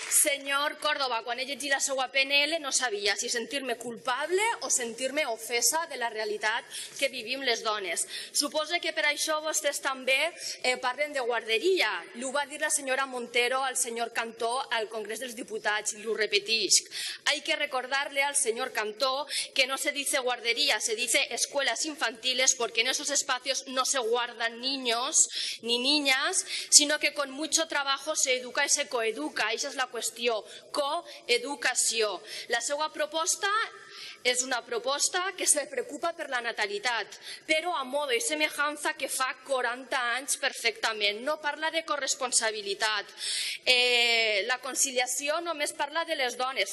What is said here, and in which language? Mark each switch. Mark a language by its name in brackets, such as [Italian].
[Catalan] Senyor Córdoba, quan he llegit la seva PNL no sabia si sentir-me culpable o sentir-me ofesa de la realitat que vivim les dones. Suposo que per això vostès també parlen de guarderia. L'ho va dir la senyora Montero al senyor Cantó al Congrés dels Diputats i l'ho repeteix. [Spanish] Hay que recordarle al senyor Cantó que no se dice guardería, se dice escuelas infantiles porque en esos espacios no se guardan niños ni niñas, sino que con mucho trabajo se educa y se coeduca. Esa es [Catalan] la qüestió, coeducació. La seva proposta és una proposta que se preocupa per la natalitat, però [Spanish] a modo i semejanza [Catalan] que fa 40 anys perfectament. No parla de corresponsabilitat. La conciliació només parla de les dones.